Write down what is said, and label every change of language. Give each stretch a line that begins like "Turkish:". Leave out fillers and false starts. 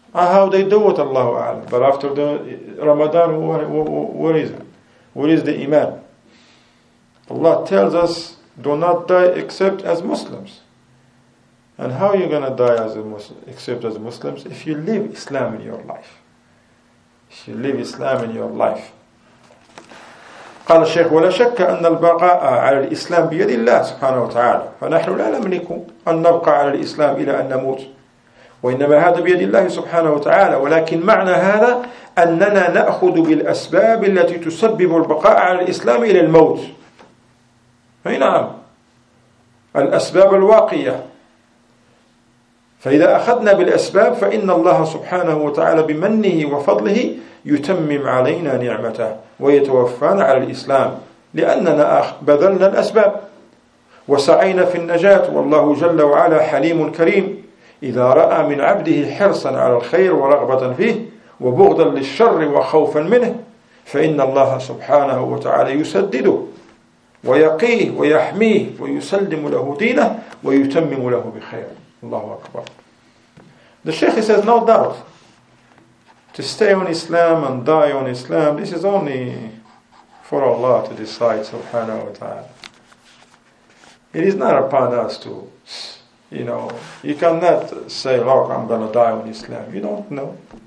English: How they do it, Allahu A'lam. But after the Ramadan, where is it? Where is the iman? Allah tells us, do not die except as Muslims. And how are you going to die as a Muslim, except as Muslims? If you live Islam in your life. If you live Islam in your life.
Arabic: قال الشيخ ولا شك أن البقاء على الإسلام بيد الله سبحانه وتعالى فنحن لا نملك أن نبقى على الإسلام إلى أن نموت وإنما هذا بيد الله سبحانه وتعالى ولكن معنى هذا أننا نأخذ بالأسباب التي تسبب البقاء على الإسلام إلى الموت أي نعم الأسباب الواقية فإذا أخذنا بالأسباب فإن الله سبحانه وتعالى بمنه وفضله يتمم علينا نعمته ويتوفانا على الإسلام لأننا بذلنا الأسباب وسعينا في النجاة والله جل وعلا حليم كريم إذا رأى من عبده حرصا على الخير ورغبة فيه وبغضا للشر وخوفا منه فإن الله سبحانه وتعالى يسدده ويقيه ويحميه ويسلم له دينه ويتمم له بخير Allahu Akbar.
English: The Shaykh says, no doubt, to stay on Islam and die on Islam, this is only for Allah to decide, subhanahu wa ta'ala. It is not upon us to, you know, you cannot say, look, I'm going to die on Islam. You don't know.